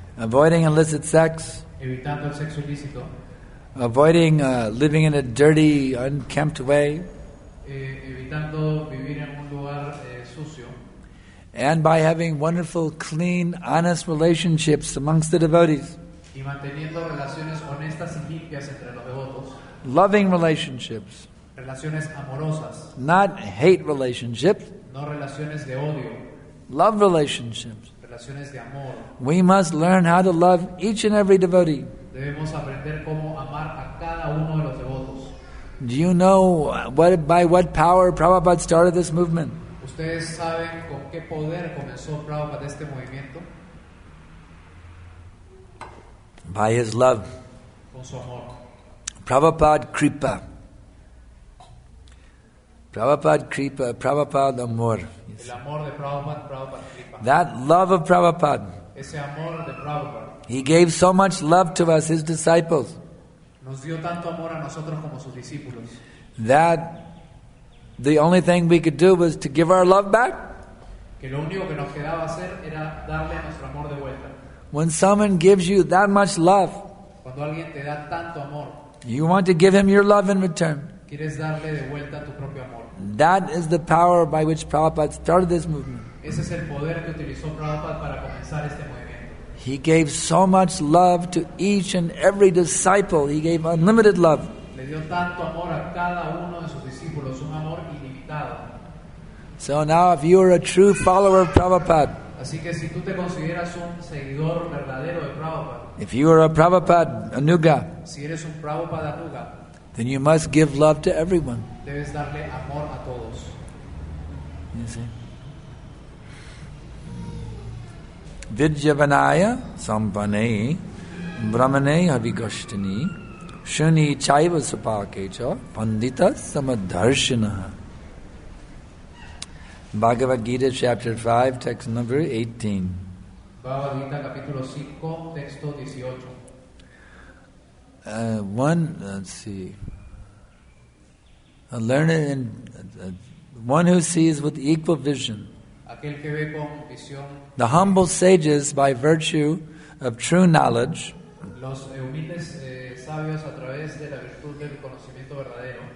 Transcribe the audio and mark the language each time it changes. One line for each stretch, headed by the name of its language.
English: avoiding illicit sex,
Spanish: evitando el sexo ilícito,
English: avoiding living in a dirty, unkempt way,
Spanish: evitando vivir en un lugar sucio,
English: and by having wonderful, clean, honest relationships amongst the devotees,
Spanish: y manteniendo relaciones honestas y limpias entre los devotos,
English: loving relationships,
Spanish: relaciones amorosas,
English: not hate relationships,
Spanish: no relaciones de odio,
English: love relationships.
Spanish: De amor.
English: We must learn how to love each and every devotee.
Spanish: Debemos aprender cómo amar a cada uno de los devotos.
English: Do you know by what power Prabhupada started this movement?
Spanish: ¿Ustedes saben con qué poder comenzó Prabhupada este movimiento?
English: By his love.
Spanish: Con su amor.
Sanskrit: Prabhupada Kripa.
Spanish: Prabhupada Kripa, Prabhupada Amor. Yes. El amor de Prabhupada, Prabhupada Kripa.
English: That love of Prabhupada.
Spanish: Ese amor de Prabhupada.
English: He gave so much love to us, his disciples.
Spanish: Nos dio tanto amor a nosotros como sus discípulos.
English: That the only thing we could do was to give our love back.
Spanish: Que lo único que nos quedaba hacer era darle nuestro amor de vuelta.
English: When someone gives you that much love,
Spanish: cuando alguien te da tanto amor,
English: you want to give him your love in return.
Spanish: Quieres darle de vuelta tu propio amor.
English: That is the power by which Prabhupada started this movement.
Spanish: Ese es el poder que utilizó Prabhupada para comenzar este movimiento.
English: He gave so much love to each and every disciple. He gave unlimited love.
Spanish: Le dio tanto amor a cada uno de sus discípulos, un amor ilimitado.
English: So now if you are a true follower of Prabhupada,
Spanish: así que si tú te consideras un seguidor verdadero de Prabhupada,
English: if you are a Prabhupada Anuga,
Spanish: si eres un Prabhupada Anuga,
English: then you must give love to everyone.
Spanish: Debes darle amor a todos.
English: You see?
Sanskrit: Vidyavanaya sampane brahmane havigashtini shuni chaiva supakecha pandita samadharshinah.
English: Bhagavad Gita chapter 5 text number 18.
Spanish: Bhagavad Gita, capítulo 5, texto 18.
English: One who sees with equal vision.
Spanish: Aquel que ve con visión.
English: The humble sages, by virtue of true knowledge,
Spanish: los humildes sabios a través de la virtud del conocimiento verdadero,